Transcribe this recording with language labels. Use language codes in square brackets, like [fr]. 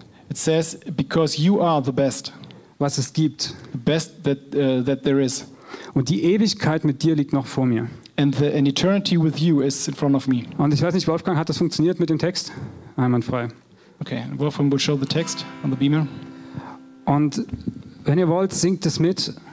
[en] It says, because you are the best. [de] Was es gibt. [en] The best that that there is. [de] Und die Ewigkeit mit dir liegt noch vor mir. [en] And an eternity with you is in front of me. [de] Und ich weiß nicht, Wolfgang, hat das funktioniert mit dem Text? Einwandfrei. [en] Okay, Wolfgang will show the text on the beamer. [de] Und wenn ihr wollt, singt es mit.